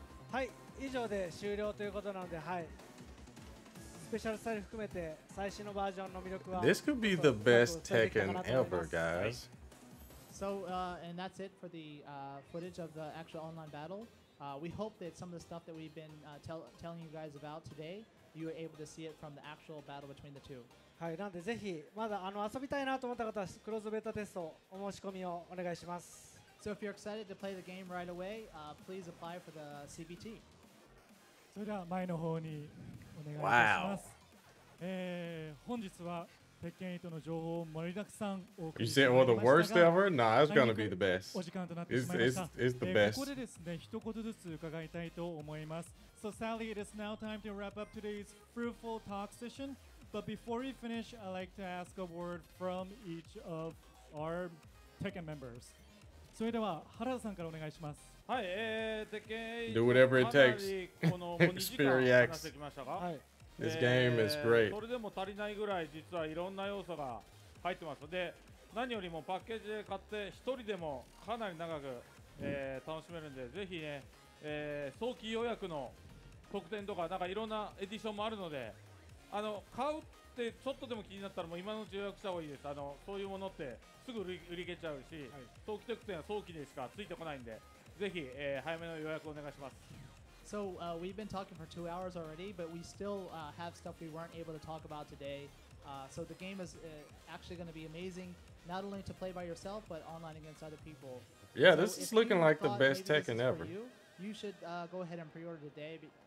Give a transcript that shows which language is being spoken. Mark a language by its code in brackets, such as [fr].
[ja] はい、以上で終了ということなので、はい、スペシャルスタイル含めて最新のバージョンの魅力は [en] This could be the best Tekken ever, guys. So, and that's it for the footage of the actual online battle. We hope that some of the stuff that we've been telling you guys about today, you were able to see it from the actual battle between the two. [ja] はい、なんでぜひまだあの遊びたいなと思った方はクローズベータテストお申し込みをお願いします。 [en] So if you're excited to play the game right away, please apply for the CBT. [ja] それでは前の方にお願いします。 [en] Wow. [ja] 本日は鉄拳8の情報を盛りだくさんお送りしました。 [en] You said, well, the worst ever? Nah, it's gonna be the best. [ja] お時間となってしまいました。 [en] It's the best. [ja] ここでですね、一言ずつ伺いたいと思います。 [en] So sadly, it is now time to wrap up today's fruitful talk session. But before we finish, I'd like to ask a word from each of our Tekken members. [ja] それでは原田さんからお願いします。はい、鉄拳 [en] 8 Do whatever it takes. Experience. This game is great. [ja] それでも足りないぐらい実はいろんな要素が入ってます。で、何よりもパッケージで買って一人でもかなり長く、楽しめるんで、ぜひね、早期予約の特典とかなんかいろんなエディションもあるので、あの買うってちょっとでも気になったらもう今のうち予約した方がいいです。あのそういうものって。すぐ売り切れちゃうし、早期特典は早期でしかついてこないんで、ぜひ、早めの予約をお願いします。 [en] So, we've been talking for 2 hours already, but we still, have stuff we weren't able to talk about today. So the game is, actually going to be amazing, not only to play by yourself, but online against other people. Yeah, this is looking like the best Tekken ever. You should, go ahead and pre-order today.